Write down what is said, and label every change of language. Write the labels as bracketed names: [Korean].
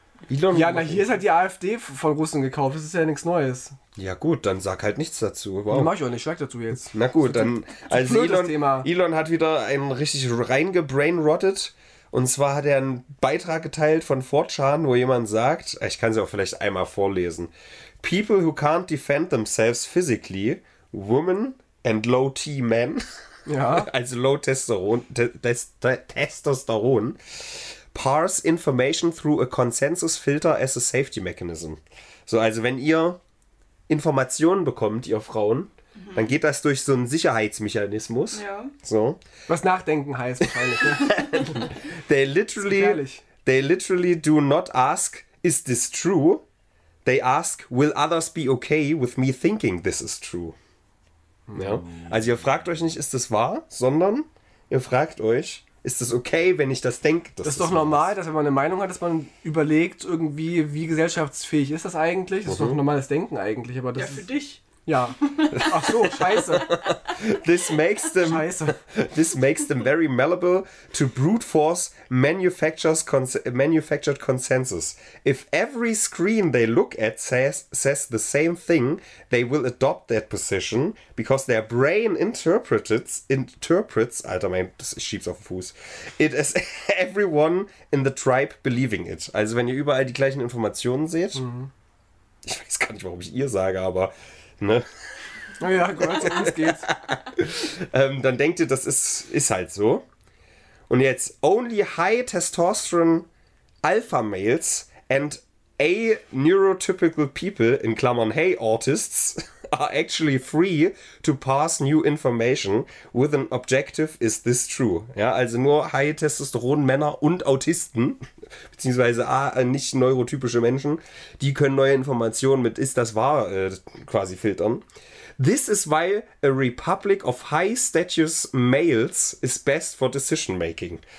[German] Elon, ja, na, hier ist halt die AfD von Russen gekauft. Das ist ja nichts Neues. Ja gut, dann sag halt nichts dazu. Wow. Mach ich auch nicht, schweig dazu jetzt. Na gut, dann... Also Elon hat wieder einen richtig reingebrainrottet. Und zwar hat er einen Beitrag geteilt von 4chan, wo jemand sagt, ich kann sie auch vielleicht einmal vorlesen. [English] People who can't defend themselves physically, women and low-T men [German] Ja. Also Low Testosteron. [English] Parse information through a consensus filter as a safety mechanism. [German] So, also wenn ihr Informationen bekommt, ihr Frauen, dann geht das durch so einen Sicherheitsmechanismus. Ja. So. Was Nachdenken heißt wahrscheinlich. Ne? [English] They literally do not ask, is this true? They ask, will others be okay with me thinking this is true? [German] Ja. Also ihr fragt euch nicht, ist das wahr, sondern ihr fragt euch, ist das okay, wenn ich das denke? Das ist doch normal, dass wenn man eine Meinung hat, dass man überlegt, irgendwie, wie gesellschaftsfähig ist das eigentlich? Das ist doch normales Denken eigentlich. Aber das ja, für ist, dich. Ja. Ach so, scheiße. [English] This makes them very malleable to brute force manufactured consensus. If every screen they look at says the same thing, they will adopt that position because their brain interprets, [German] Alter, mein, das schiebt's auf den Fuß, [English] it as everyone in the tribe believing it. [German] Also wenn ihr überall die gleichen Informationen seht, ich weiß gar nicht, warum ich ihr sage, aber ne? Naja, gut, uns geht's. dann denkt ihr, das ist halt so. Und jetzt, [English] only high testosterone alpha males and a neurotypical people, [German] in Klammern, [English] hey, autists, are actually free to pass new information with an objective, is this true? [German] Ja, also nur high testosteron Männer und Autisten, beziehungsweise nicht neurotypische Menschen, die können neue Informationen mit, ist das wahr, quasi filtern. [English] This is why a republic of high status males is best for decision making.